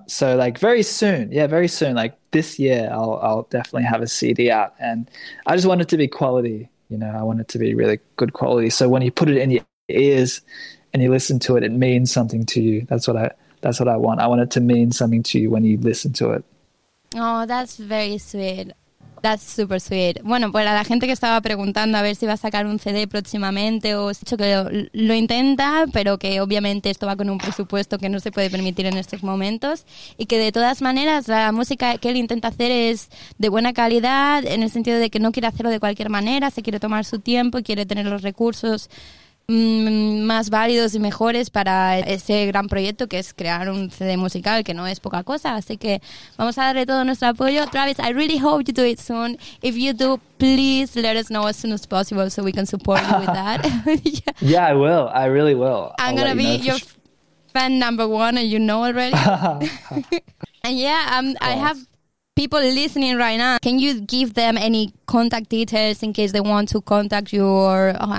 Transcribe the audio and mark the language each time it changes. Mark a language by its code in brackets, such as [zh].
[en] So like very soon, yeah, very soon, like this year, I'll definitely have a CD out. And I just want it to be quality, you know, I want it to be really good quality. So when you put it in your ears and you listen to it, it means something to you. That's what I want. I want it to mean something to you when you listen to it. Oh, that's very sweet. That's super sweet. [es] Bueno, pues a la gente que estaba preguntando a ver si va a sacar un CD próximamente o si dicho que lo intenta, pero que obviamente esto va con un presupuesto que no se puede permitir en estos momentos. Y que de todas maneras la música que él intenta hacer es de buena calidad, en el sentido de que no quiere hacerlo de cualquier manera, se quiere tomar su tiempo y quiere tener los recursos más válidos y mejores para ese gran proyecto que es crear un CD musical, que no es poca cosa. Así que vamos a darle todo nuestro apoyo. [en] Travis, I really hope you do it soon. If you do, please let us know as soon as possible so we can support you with that. Yeah, I will. I really will. I'm going to be your fan number one, and you know already. And yeah, I have people listening right now. Can you give them any contact details in case they want to contact you or...